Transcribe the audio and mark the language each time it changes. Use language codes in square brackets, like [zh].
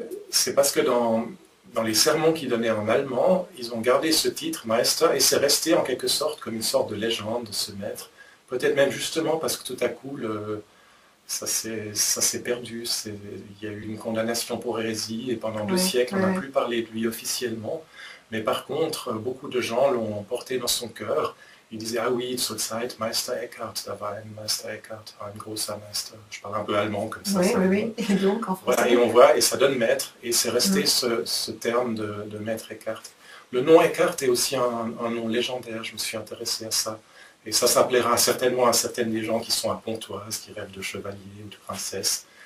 [fr] C'est parce que dans les sermons qu'ils donnaient en allemand, ils ont gardé ce titre, Maestra, et c'est resté en quelque sorte comme une sorte de légende de ce maître. Peut-être même justement parce que tout à coup, ça s'est perdu. Il y a eu une condamnation pour hérésie, et pendant deux siècles, on n'a plus parlé de lui officiellement. Mais par contre, beaucoup de gens l'ont porté dans son cœur. Ils disaient, ah oui, [de] zur Zeit, Meister Eckhart, da war ein Meister Eckhart, ein großer Meister. [fr] Je parle un peu allemand comme ça. Oui. Et donc, en français. Voilà, et on voit, et ça donne maître, et c'est resté ce terme de maître Eckhart. Le nom Eckhart est aussi un nom légendaire, je me suis intéressé à ça. Et ça, ça plaira certainement à certaines des gens qui sont à Pontoise, qui rêvent de chevalier ou de princesse.